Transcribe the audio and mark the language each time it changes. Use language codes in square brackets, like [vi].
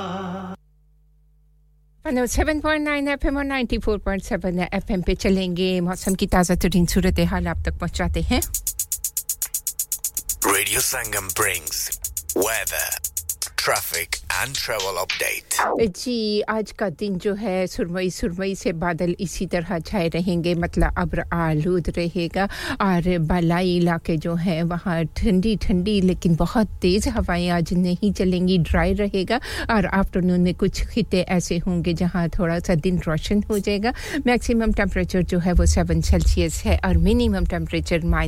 [hi] 7.9 FM और 94.7 FM पे चलेंगे मौसम की ताजा तरीन सूरत हाल आप तक पहुंचाते हैं [en] Radio Sangam brings weather traffic and travel update [hi] जी आज का दिन जो है सुरमई सुरमई से बादल इसी तरह छाए रहेंगे मतलब अब्र आलूद रहेगा और बालाई इलाके जो है वहां ठंडी ठंडी लेकिन बहुत तेज हवाएं आज नहीं चलेंगी ड्राई रहेगा और आफ्टरनून में कुछ खित्ते ऐसे होंगे जहां थोड़ा सा दिन रोशन हो जाएगा मैक्सिमम टेंपरेचर जो है वो 7 सेल्सियस है और मिनिमम टेंपरेचर